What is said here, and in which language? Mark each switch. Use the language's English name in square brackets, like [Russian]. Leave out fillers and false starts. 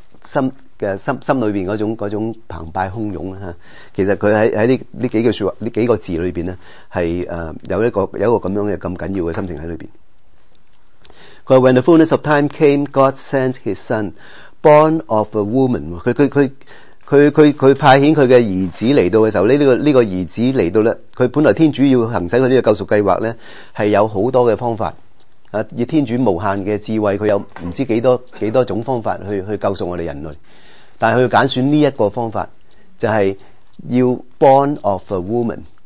[Chinese] 心里面那种澎湃汹涌，其实他在这几个说话、这几个字里面呢，是有一个这样的这么紧要的心情在里面。他说 [English] When the fullness of time came, God sent his son, born of a woman。 [Chinese] 他派遣他的儿子来到的时候，这个儿子来到呢，他本来天主要行使他这个救赎计划呢，是有很多的方法。以天主无限的智慧，他有不知多少种方法 去救赎我们人类，但是他揀选这一个方法，就是要 [English] born of a woman。